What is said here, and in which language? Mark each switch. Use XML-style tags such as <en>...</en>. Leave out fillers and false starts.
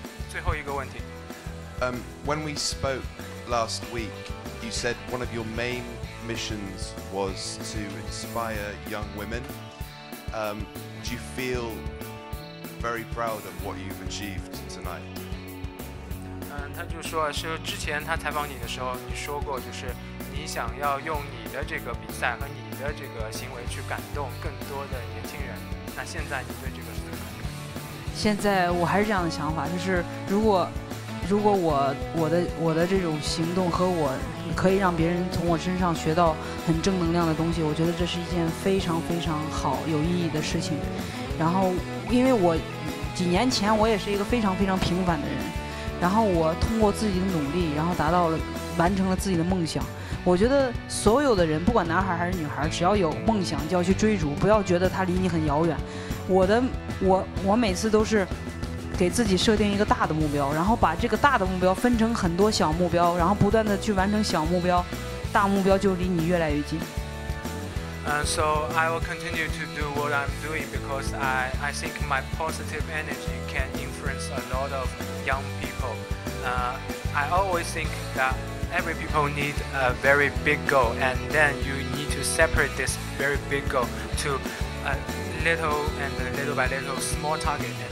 <zh>最后一个问题。</zh> <en>When we spoke last week, you said one of your main missions was to inspire young women. Do you feel very proud of what you've achieved tonight?</en> <zh>他就说是之前他采访你的时候你说过，就是你想要用你的这个比赛和你的这个行为去感动更多的年轻人。那现在你对这个是怎么看？现在我还是这样的想法，就是如果我的这种行动和我可以让别人从我身上学到很正能量的东西，我觉得这是一件非常非常好有意义的事情。然后因为我几年前我也是一个非常非常平凡的人，然后我通过自己的努力，然后达到了完成了自己的梦想。我觉得所有的人不管男孩还是女孩，只要有梦想就要去追逐，不要觉得它离你很遥远。我每次都是给自己设定一个大的目标，然后把这个大的目标分成很多小目标，然后不断的去完成小目标，大目标就离你越来越近。</zh> <en>So I will continue to do what I'm doing because I think my positive energy can influence a lot of young people. I always think that every people need a very big goal, and then you need to separate this very big goal to a little and a little by little small target.</en>